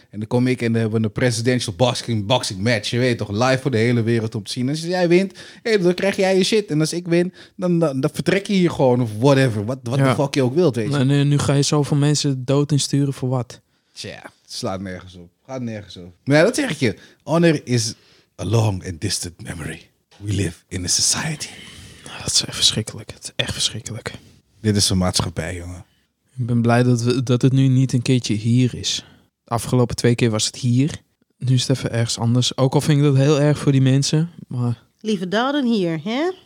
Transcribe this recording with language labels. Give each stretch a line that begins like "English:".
Dutch: En dan kom ik en dan hebben we een presidential boxing match. Je weet toch, live voor de hele wereld om te zien. En als jij wint, hey, dan krijg jij je shit. En als ik win, dan vertrek je hier gewoon. Of whatever, wat de fuck je ook wilt, weet je. Nu ga je zoveel mensen dood insturen voor wat? Tja, slaat nergens op. Gaat nergens op. Maar ja, dat zeg ik je.
English: Honor is a long and distant memory. We live in a society.
Dutch: Dat is echt verschrikkelijk. Het is echt verschrikkelijk. Dit is een maatschappij, jongen. Ik ben blij dat het nu niet een keertje hier is. De afgelopen twee keer was het hier. Nu is het even ergens anders. Ook al vind ik dat heel erg voor die mensen. Maar... Liever daar dan hier, hè?